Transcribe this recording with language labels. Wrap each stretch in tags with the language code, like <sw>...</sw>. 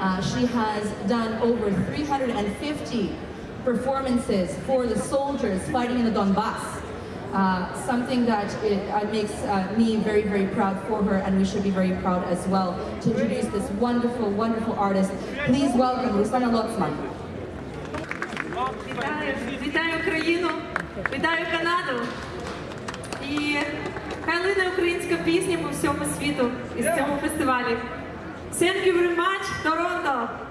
<en>She has done over 350 performances for the soldiers fighting in the Donbas. Something that it makes me very, very proud for her, and we should be very proud as well to introduce this wonderful, wonderful artist. Please welcome Руслана Лотсман.</en> <uk>Вітаю Україну, вітаю Канаду, і хай лине українська пісня по всьому світу із цього фестивалі.</uk> <en>Thank you very much, Торонто!</en>